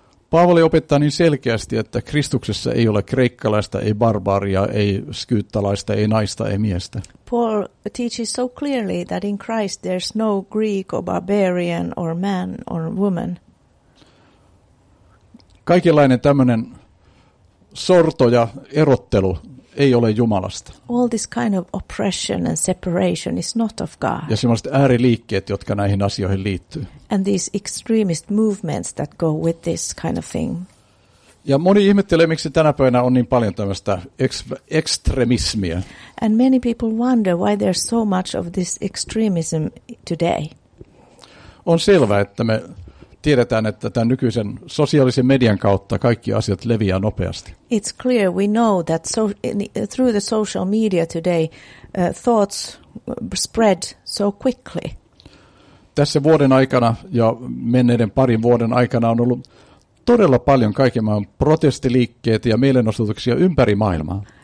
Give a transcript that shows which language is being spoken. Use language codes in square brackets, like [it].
[fi] Paavali opettaa niin selkeästi, että Kristuksessa ei ole kreikkalaista, ei barbaria, ei skyyttalaista, ei naista, ei miestä. [en] Paul teaches so clearly that in Christ there's no Greek or barbarian or man or woman. [fi] Kaikenlainen tämmöinen sorto ja erottelu ei ole Jumalasta. [en] All this kind of oppression and separation is not of God. [fi] Ja semmoiset ääriliikkeet, jotka näihin asioihin liittyy. [en] And these extremist movements that go with this kind of thing. [fi] Ja moni ihmettelee, miksi tänä päivänä on niin paljon tämmöistä ekstremismiä. [en] And many people wonder why there's so much of this extremism today. [fi] On selvä, että me tiedetään, että tämän nykyisen sosiaalisen median kautta kaikki asiat leviää nopeasti. [en] It's clear we know that through the social media today thoughts spread so quickly. [fi] Tässä vuoden aikana ja menneiden parin vuoden aikana on ollut todella paljon kaikenlaisia protestiliikkeitä ja mielenosoituksia ympäri maailmaa.